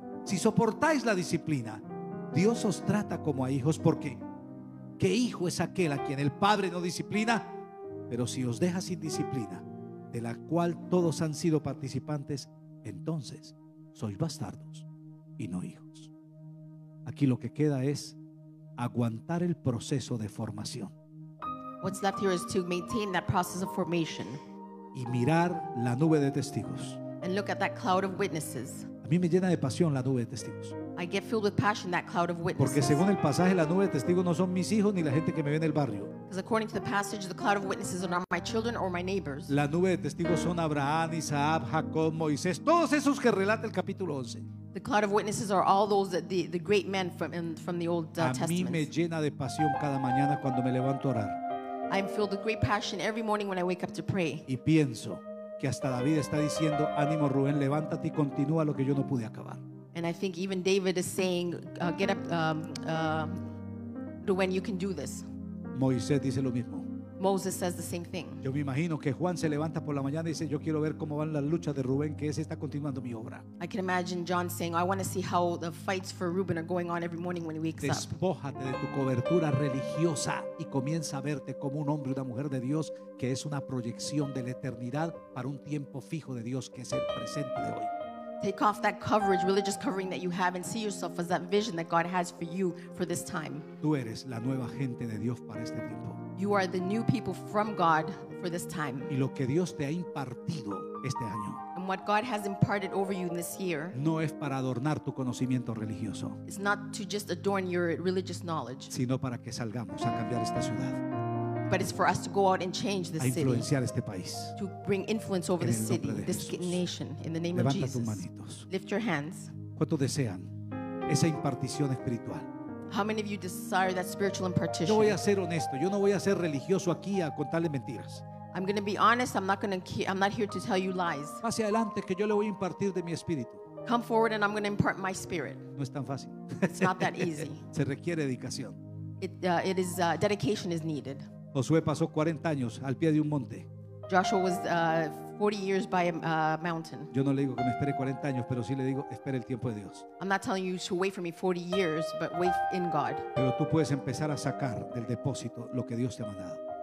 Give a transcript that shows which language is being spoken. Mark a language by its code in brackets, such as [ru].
[es] Si soportáis la disciplina, Dios os trata como a hijos, porque ¿qué hijo es aquel a quien el padre no disciplina? Pero si os deja sin disciplina, de la cual todos han sido participantes, entonces sois bastardos y no hijos. Aquí lo que queda es aguantar el proceso de formación. [en] What's left here is to maintain that process of formation. [es] Y mirar la nube de testigos. [en] And look at that cloud of witnesses. [es] A mí me llena de pasión la nube de testigos. [en] I get filled with passion that cloud of witnesses. [es] Porque según el pasaje, la nube de testigos no son mis hijos ni la gente que me ve en el barrio. [en] Because according to the passage, the cloud of witnesses are not my children or my neighbors. [es] La nube de testigos son Abraham, Isaac, Jacob, Moisés, todos esos que relata el capítulo 11. [en] The cloud of witnesses are all those that the great men from the old testament. [es] A mí me llena de pasión cada mañana cuando me levanto a orar. [en] I'm filled with great passion every morning when I wake up to pray. [es] Y pienso que hasta David está diciendo: ánimo Rubén, levántate y continúa lo que yo no pude acabar. [en] And I think even David is saying, get up, Rubén, you can do this. [es] Moisés dice lo mismo. [en] Moses says the same thing. [es] Yo me imagino que Juan se levanta por la mañana y dice: yo quiero ver cómo van las luchas de Rubén, que ese está continuando mi obra. [en] I can imagine John saying, oh, I want to see how the fights for Reuben are going on every morning when he wakes up. [es] Despójate de tu cobertura religiosa y comienza a verte como un hombre o una mujer de Dios, que es una proyección de la eternidad para un tiempo fijo de Dios, que es el presente de hoy. [en] Take off that coverage, religious covering that you have, and see yourself as that vision that God has for you for this time. [es] Tú eres la nueva gente de Dios para este tiempo. [en] You are the new people from God for this time. [es] Y lo que Dios te ha impartido este año. [en] And what God has imparted over you in this year. [es] No es para adornar tu conocimiento religioso. [en] It's not to just adorn your religious knowledge. [es] Sino para que salgamos a cambiar esta ciudad. [en] But it's for us to go out and change this city. [es] A influenciar este país. [en] To bring influence over this city, this nation, in the name of Jesus. [es] Levanta tus manitos. [en] Lift your hands. [es] ¿Cuántos desean esa impartición espiritual? [en] How many of you desire that spiritual impartition? [es] Yo voy a ser honesto. Yo no voy a ser religioso aquí a contarle mentiras. [en] I'm going to be honest. I'm not here to tell you lies. [es] Hacia adelante, que yo le voy a impartir de mi espíritu. [en] Come forward and I'm going to impart my spirit. [es] No es tan fácil. [en] It's not that easy. [es] Se requiere dedicación. [en] Dedication is needed. [es] Josué pasó 40 años al pie de un monte. [en] Joshua was 40 years by a mountain. [es] Yo no le digo que me espere 40 años, pero sí le digo: espere el tiempo de Dios. [en] I'm not telling you to wait for me 40 years, but wait in God. [es] Pero tú puedes empezar a sacar del depósito lo que Dios te ha mandado.